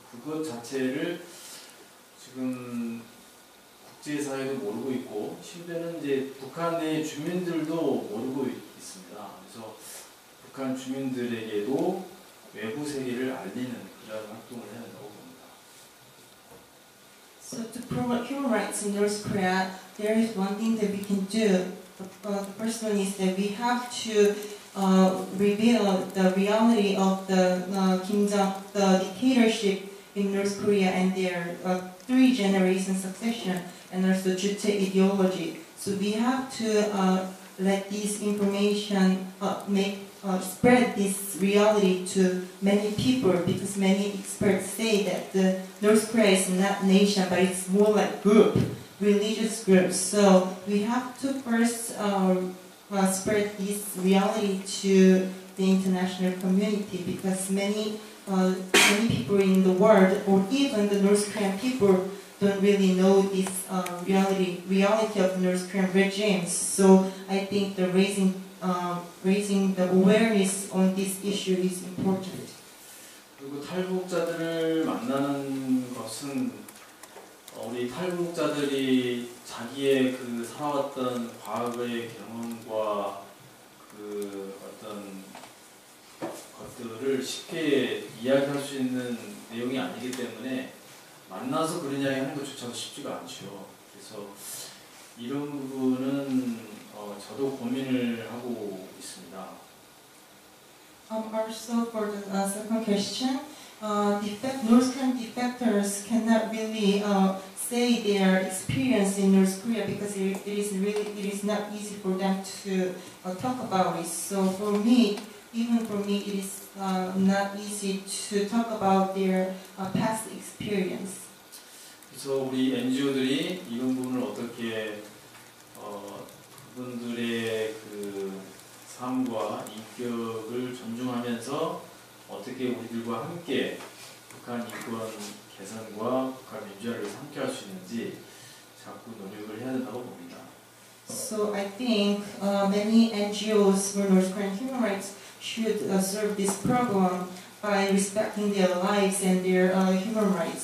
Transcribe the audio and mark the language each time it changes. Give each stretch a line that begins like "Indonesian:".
Korean: 그것 자체를 지금 국제사회도 모르고 있고 심지어는 이제 북한 내 주민들도 모르고 있습니다. 그래서 북한 주민들에게도 외부 세계를 알리는 그런 활동을 해야 된다고 봅니다.
English: So to promote human rights in North Korea, there is one thing that we can do. The first one is that we have to reveal the reality of the Kim Jong the dictatorship in North Korea and their three generation succession and also Juche ideology. So we have to let this information spread this reality to many people because many experts say that the North Korea is not nation but it's more like group, religious groups. So we have to first spread this reality to the international community because many people in the world or even the North Korean people don't really know this reality of the North Korean regimes. So I think the raising the awareness on this issue is important.
Korean: 그리고 탈북자들을 만나는 것은 우리 탈북자들이 자기의 그 살아왔던 과거의 경험과 그 어떤 것들을 쉽게 이야기할 수 있는 내용이 아니기 때문에 만나서 그런 이야기 하는 것조차도 쉽지가 않죠. 그래서 이런 부분은 저도 고민을 하고 있습니다.
English: Also for the second question, North Korean defectors cannot really say their experience in North Korea because it is not easy for them to talk about it. So for me, even for me, it is not easy to talk about their past experience.
Korean: 그래서 우리 NGO들이 이런 부분을 어떻게 그분들의 그 삶과 인격을 존중하면서 어떻게 우리들과 함께 북한 인권 개선과 북한 민주화를 함께할 수 있는지 자꾸 노력을 해야 된다고 봅니다.
English: So I think many NGOs for North Korean human rights should serve this problem by respecting their lives and their human rights.